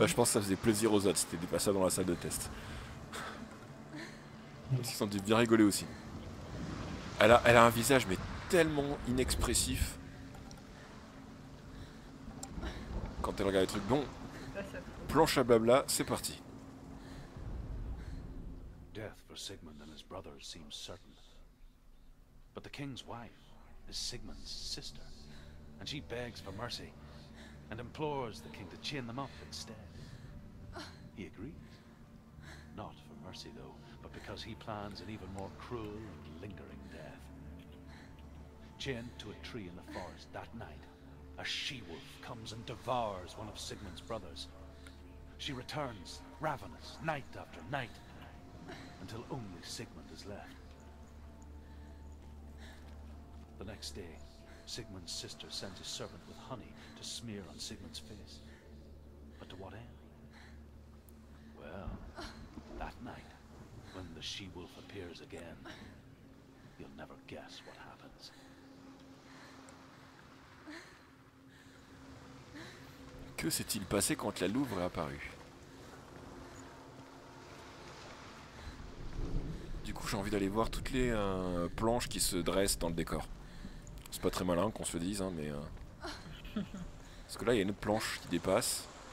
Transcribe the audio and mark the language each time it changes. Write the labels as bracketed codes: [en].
[fr] Bah, je pense que ça faisait plaisir aux autres, c'était pas ça dans la salle de test. Ils se sont dû bien rigoler aussi. Elle a un visage mais tellement inexpressif. Quand elle regarde les trucs. Bon, planche à blabla, c'est parti. [en] Death for Sigmund and his brothers seems certain. But the king's wife is Sigmund's sister. And she begs for mercy and implores the king to chain them up instead. He agrees. Not for mercy though, but because he plans an even more cruel and lingering death. Chained to a tree in the forest that night, a she-wolf comes and devours one of Sigmund's brothers. She returns, ravenous, night after night, until only Sigmund is left. The next day, Sigmund's sister sends a servant with honey to smear on Sigmund's face. But to what end? Well, that night, when the she-wolf appears again, you'll never guess what happens. [fr] Que s'est-il passé quand la louve est apparue? Du coup, j'ai envie d'aller voir toutes les planches qui se dressent dans le décor. C'est pas très malin qu'on se le dise, hein, mais... Parce que là, il y a une autre planche qui dépasse.